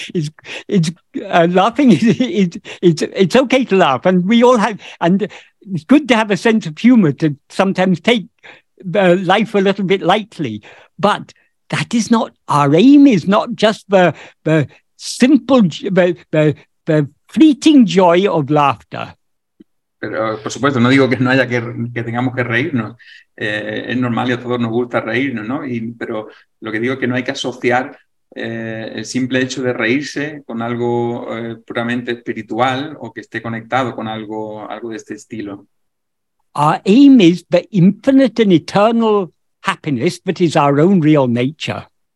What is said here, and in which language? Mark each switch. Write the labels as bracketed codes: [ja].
[en] It's okay to laugh, and we all have, and it's good to have a sense of humor to sometimes take life a little bit lightly. But that is not our aim. Is not just the simple the fleeting joy of laughter. [es] Pero, por supuesto, no digo que no haya que tengamos que reírnos. Es normal y a todos nos gusta reírnos, ¿no? Pero lo que digo es que no hay que asociar el simple hecho de reírse con algo puramente espiritual o que esté conectado con algo de este estilo. [en] Our aim is the infinite and eternal happiness that is our own real nature.